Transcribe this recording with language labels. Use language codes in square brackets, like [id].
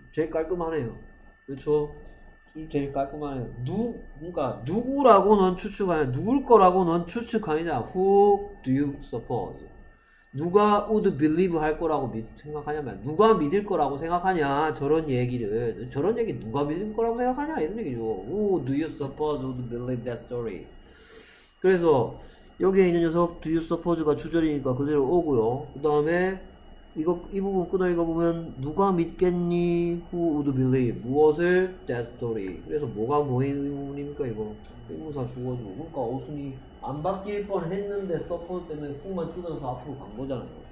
[ko] 제일 깔끔하네요. 그렇죠. 제일 깔끔하네요. 그러니까 누구라고 넌 추측하냐? 누굴 거라고 넌 추측하냐? [en] Who do you suppose? [ko] 누가 [en] would believe [ko] 할 거라고 생각하냐면 누가 믿을 거라고 생각하냐? 저런 얘기를 저런 얘기 누가 믿을 거라고 생각하냐? 이런 얘기죠. [en] Who do you suppose would believe that story? [ko] 그래서 여기에 있는 녀석 [en] do you suppose [ko] 가 주절이니까 그대로 오고요. 그 다음에 이거 이 부분 끊어 읽어보면 누가 믿겠니? [en] Who would believe? [ko] 무엇을? [en] That story. [ko] 그래서 뭐가 뭐인 의문입니까 이거? 의문사 주어지고 그러니까 어순이 안 바뀔 뻔 했는데 서포트 때문에 후만 뜯어서 앞으로 간 거잖아요.